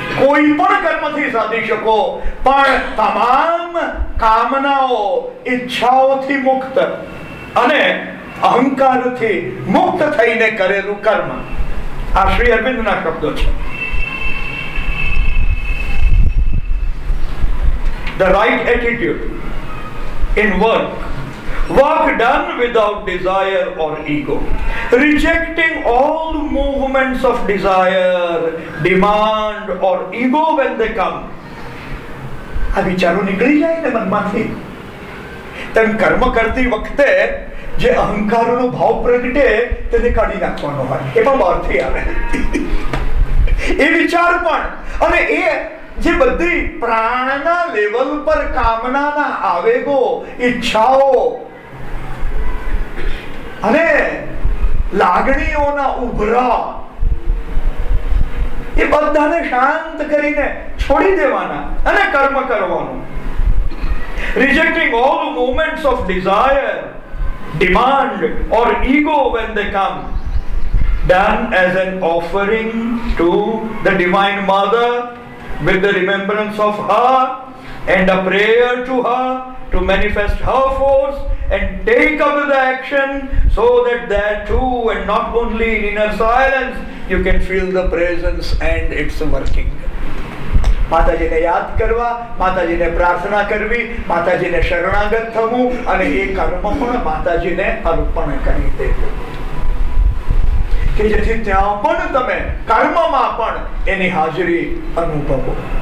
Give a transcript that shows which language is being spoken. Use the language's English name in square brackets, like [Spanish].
[Gujarati] કોઈ પણ કર્મથી સાધી શકો, પણ તમામ કામનાઓ ઈચ્છાઓથી મુક્ત અને અહંકારથી મુક્ત થઈને કરેલું કર્મ, આ શ્રી અરવિંદના શબ્દો છે. [English] The right attitude in work. Work done without desire or ego. Rejecting all movements of desire, demand or ego when they come. [Gujarati] આ વિચારો નીકળી જાય ને મનમાંથી, તેમ કર્મ કરતી વખતે જે અહંકારનો ભાવ પ્રગટે તેને કાઢી નાખવાનો હોય, એ પણ બહારથી આવે એ વિચાર પણ, અને એ જે બધી પ્રાણના લેવલ પર કામનાના આવેગો, ઈચ્છાઓ અને લાગણીઓના ઉભરા, એ બધાને શાંત કરીને છોડી દેવાના અને કર્મ કરવાનું. [English] Rejecting all moments of desire, demand or ego when they come, done as an offering to the Divine Mother with the remembrance of her and a prayer to her to manifest her force and take up the action so that there too and not only in inner silence you can feel the presence and its working. [Gujarati] માતાજીને યાદ કરવા, માતાજીને પ્રાર્થના કરવી, માતાજીને શરણાગત થવું અને એ કર્મ પણ માતાજીને અર્પણ કરી દેવું કે જેથી ત્યાં પણ તમે કર્મમાં પણ એની હાજરી અનુભવો.